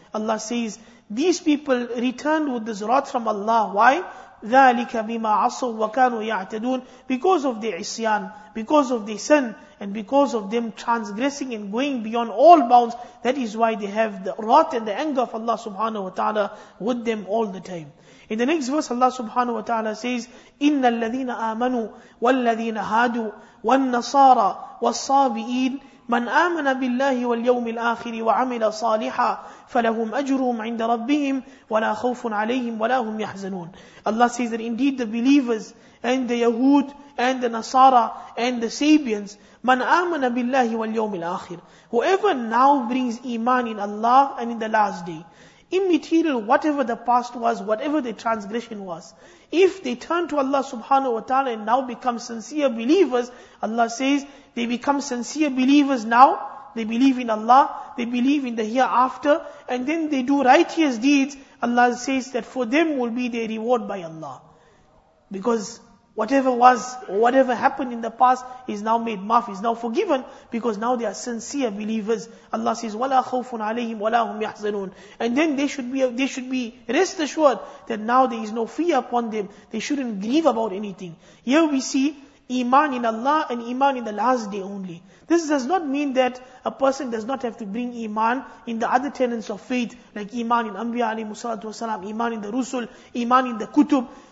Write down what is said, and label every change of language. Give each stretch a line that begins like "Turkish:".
English: Allah says, these people returned with this wrath from Allah. Why?
Arabic: ذَٰلِكَ بِمَا عَصَوْا وَكَانُوا يَعْتَدُونَ.
English: Because of the isyan, because of the sin, and because of them transgressing and going beyond all bounds, that is why they have the wrath and the anger of Allah subhanahu wa ta'ala with them all the time. In the next verse, Allah subhanahu wa ta'ala says,
Arabic: إِنَّ الَّذِينَ آمَنُوا وَالَّذِينَ هَادُوا وَالنَّصَارَى وَالصَّابِئِينَ مَنْ آمَنَ بِاللَّهِ وَالْيَوْمِ الْآخِرِ وَعَمِلَ صَالِحًا فَلَهُمْ أَجْرُهُمْ عِنْدَ رَبِّهِمْ وَلَا خَوْفٌ عَلَيْهِمْ وَلَا هُمْ يَحْزَنُونَ.
English: Allah says that indeed the believers and the Yahud and the Nasara and the Sabians,
Arabic: مَنْ آمَنَ بِاللَّهِ وَالْيَوْمِ الْآخِرِ,
English: whoever now brings iman in Allah and in the last day, immaterial whatever the past was, whatever the transgression was, if they turn to Allah subhanahu wa ta'ala and now become sincere believers, Allah says, they become sincere believers now, they believe in Allah, they believe in the hereafter, and then they do righteous deeds, Allah says that for them will be their reward by Allah. Because whatever was, whatever happened in the past is now made maaf, is now forgiven, because now they are sincere believers. Allah says,
Arabic: وَلَا خَوْفٌ عَلَيْهِمْ وَلَا هُمْ يَحْزَنُونَ.
English: And then they should be rest assured that now there is no fear upon them. They shouldn't grieve about anything. Here we see iman in Allah and iman in the last day only. This does not mean that a person does not have to bring iman in the other tenets of faith, like iman in Anbiya alayhi salatu wasalam, iman in the Rusul, iman in the Kutub.